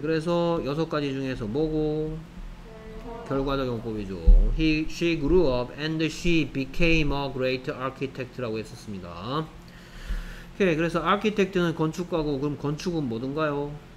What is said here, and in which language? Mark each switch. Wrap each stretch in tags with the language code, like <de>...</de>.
<ko>그래서 여섯 가지 중에서 뭐고? 결과적 용법이죠.</ko> <en>She grew up and she became a great architect라고</en> <ko>했었습니다. 오케이. 그래서 아키텍트는 건축가고, 그럼 건축은 뭐든가요?</ko>